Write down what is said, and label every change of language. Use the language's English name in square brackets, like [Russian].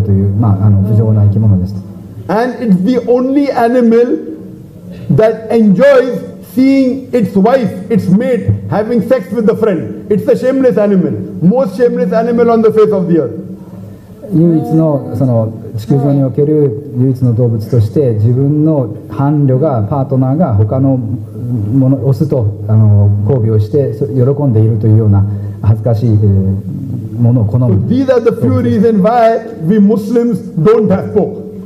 [Japanese] 今日の科学でよく知られていることですけども、豚肉は泥や汚物を食べるという、まあ、不浄な生き物です。 [English] And it's the only animal that enjoys seeing its wife, its mate, having sex with a friend. It's a shameless animal, most shameless animal on the face of the earth. [Japanese] 唯一のその地球上における唯一の動物として自分の伴侶が他のものオスとあの交尾をして喜んでいるというような恥ずかしいものを好む。 [English] These are the few reasons why we Muslims don't have pork.